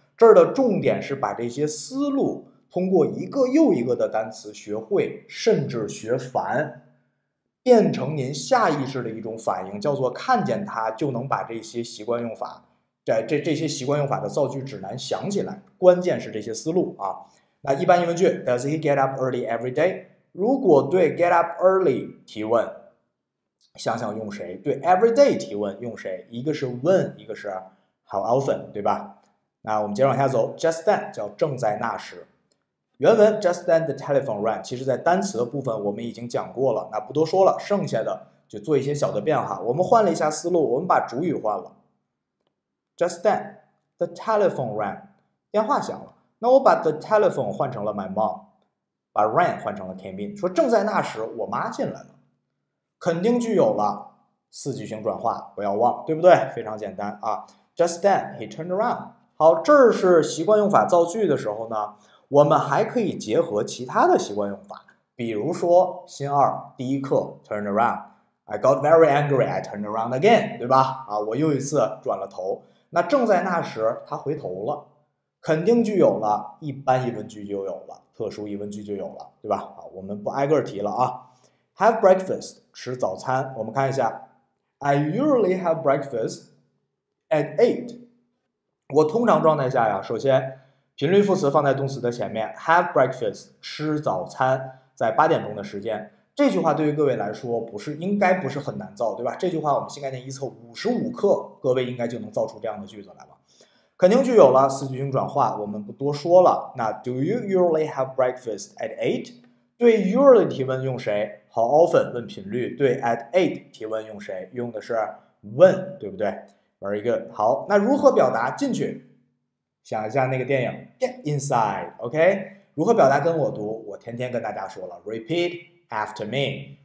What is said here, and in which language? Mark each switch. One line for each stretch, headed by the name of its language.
Chinese: 这儿的重点是把这些思路通过一个又一个的单词学会，甚至学烦，变成您下意识的一种反应，叫做看见它就能把这些习惯用法，这些习惯用法的造句指南想起来，关键是这些思路啊。那一般疑问句
English: ,Does he get up early every day?
Chinese: 如果对 get up early 提问，想想用谁，对 every day 提问用谁，一个是 when, 一个是 how often, 对吧？那我们接着往下走 ,just then 叫正在那时。原文
English: just then the telephone rang，
Chinese: 其实在单词的部分我们已经讲过了，那不多说了，剩下的就做一些小的变化。我们换了一下思路，我们把主语换了。
English: Just then the telephone rang，
Chinese: 电话响了。那我把 the telephone 换成了 my mom， 把 rang 换成了 came in， 说正在那时我妈进来了。肯定句有了，四句型转化不要忘，对不对？非常简单啊。
English: Just then he turned around。
Chinese: 好，这是习惯用法造句的时候呢。我们还可以结合其他的习惯用法，比如说星二第一课 turned around，
English: I got very angry， I turned around again，
Chinese: 对吧？啊，我又一次转了头。那正在那时，他回头了。肯定句有了，一般疑问句就有了，特殊疑问句就有了，对吧？啊，我们不挨个提了啊。
English: Have breakfast，
Chinese: 吃早餐。我们看一下
English: ，I usually have breakfast at 8。
Chinese: 我通常状态下呀，首先。频率副词放在动词的前面 ，have breakfast 吃早餐，在八点钟的时间。这句话对于各位来说不是应该不是很难造，对吧？这句话我们新概念一测55课，各位应该就能造出这样的句子来了。肯定句有了，四句型转化我们不多说了。
English: 那 do you usually have breakfast at 8？
Chinese: 对 usually 提问用谁 ？How often 问频率？对 at 8 提问用谁？用的是 when， 对不对 ？
English: Very good。
Chinese: 好，那如何表达进去？想一下那个电影 Get inside， OK， 如何表达跟我读，我天天跟大家说了
English: Repeat after me。